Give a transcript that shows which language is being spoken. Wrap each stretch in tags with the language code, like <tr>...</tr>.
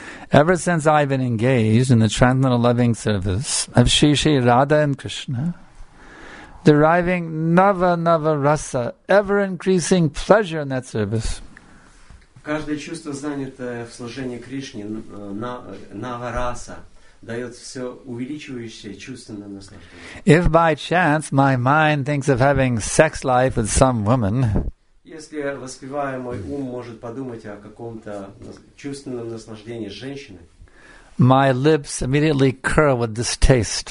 <en>Ever since I've been engaged in the transcendental loving service of Sri Sri Radha and Krishna, deriving nava nava rasa, ever increasing pleasure in that service.</en> <ru>Каждое чувство, занятое в служении Кришне, навараса, дает все увеличивающееся чувственное наслаждение.</ru> <en>If by chance my mind thinks of having sex life with some woman,</en> <ru>если воспевая мой ум может подумать о каком-то чувственном наслаждении с женщиной,</ru> <en>my lips immediately curl with distaste.</en>